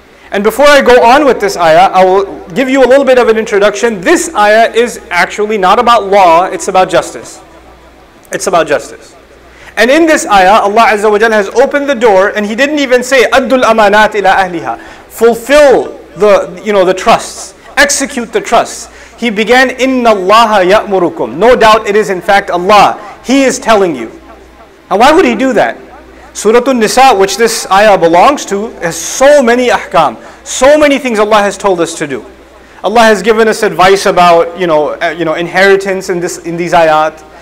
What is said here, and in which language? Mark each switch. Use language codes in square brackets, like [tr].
[en] And before I go on with this ayah, I will give you a little bit of an introduction. This ayah is actually not about law, it's about justice. It's about justice. And in this ayah, Allah Azza wa Jalla has opened the door, and He didn't even say, [ar] أَدُّ الْأَمَانَاتِ إِلَىٰ أَهْلِهَا. [en] Fulfill the trusts. Execute the trusts. He began, [ar] إِنَّ اللَّهَ يَأْمُرُكُمْ. [en] No doubt it is in fact Allah. He is telling you. Now why would He do that? Surah An-Nisa, which this ayah belongs to, has so many ahkam, so many things Allah has told us to do. Allah has given us advice about, inheritance in these ayat.